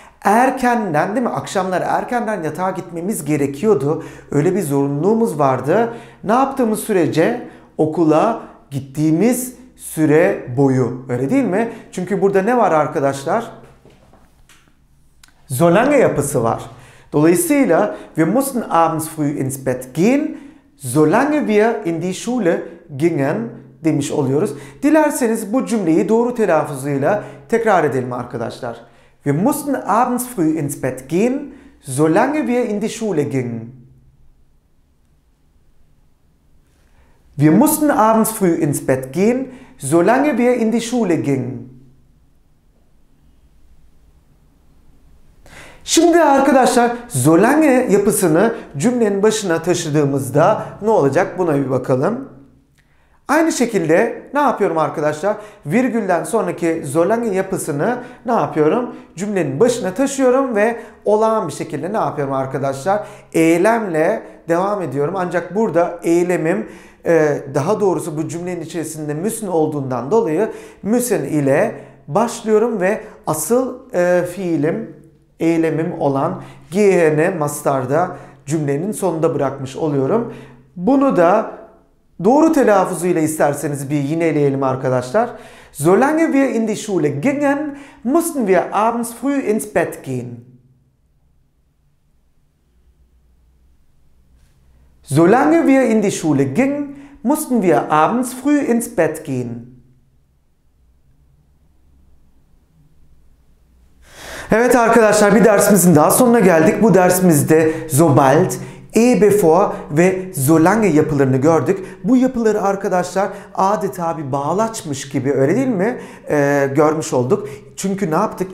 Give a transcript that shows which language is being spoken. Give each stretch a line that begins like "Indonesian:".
Turkish: Erkenden, değil mi? Akşamları erkenden yatağa gitmemiz gerekiyordu. Öyle bir zorunluluğumuz vardı. Ne yaptığımız sürece okula gittiğimiz süre boyu. Öyle değil mi? Çünkü burada ne var arkadaşlar? Solange yapısı var. Dolayısıyla
German: wir mussten abends früh ins Bett gehen, solange wir in die Schule gingen
Turkish: demiş oluyoruz. Dilerseniz bu cümleyi doğru telaffuzuyla tekrar edelim arkadaşlar.
German: Wir mussten abends früh ins Bett gehen, solange wir in die Schule gingen. Wir mussten abends früh ins Bett gehen, solange wir in die Schule gingen.
Turkish: Şimdi arkadaşlar, solange yapısını cümlenin başına taşıdığımızda ne olacak? Buna bir bakalım. Aynı şekilde ne yapıyorum arkadaşlar? Virgülden sonraki solange yapısını ne yapıyorum? Cümlenin başına taşıyorum ve olağan bir şekilde ne yapıyorum arkadaşlar? Eylemle devam ediyorum. Ancak burada eylemim, daha doğrusu bu cümlenin içerisinde müssen olduğundan dolayı müssen ile başlıyorum ve asıl fiilim, eylemim olan gehen'i mastarda cümlenin sonunda bırakmış oluyorum. Bunu da doğru telaffuzuyla isterseniz bir yineleyelim arkadaşlar.
German: Solange wir in die Schule gingen, mussten wir abends früh ins Bett gehen. Solange wir in die Schule gingen, mussten wir abends früh ins Bett gehen.
Turkish: Evet arkadaşlar, bir dersimizin daha sonuna geldik. Bu dersimizde sobald, bevor ve solange yapılarını gördük. Bu yapıları arkadaşlar adeta bir bağlaçmış gibi, öyle değil mi? Görmüş olduk. Çünkü ne yaptık?